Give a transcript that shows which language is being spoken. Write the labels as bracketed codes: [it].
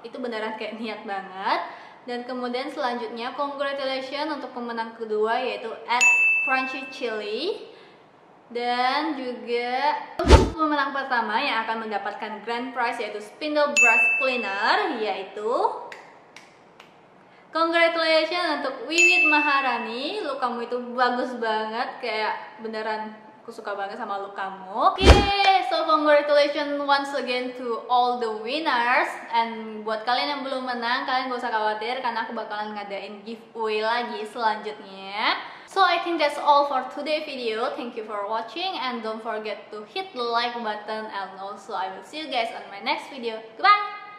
[id] Itu beneran kayak niat banget. Dan kemudian selanjutnya, congratulations untuk pemenang kedua, yaitu @crunchychili. Dan juga untuk pemenang pertama yang akan mendapatkan grand prize, yaitu spindle brush cleaner, yaitu congratulations untuk Wiwit Maharani. Look kamu itu bagus banget, kayak beneran aku suka banget sama look kamu. [en] Oke, so congratulations once again to all the winners. [id] And buat kalian yang belum menang, kalian gak usah khawatir karena aku bakalan ngadain giveaway lagi selanjutnya. [en] So I think that's all for today video. Thank you for watching and don't forget to hit the like button. And also I will see you guys on my next video. Goodbye!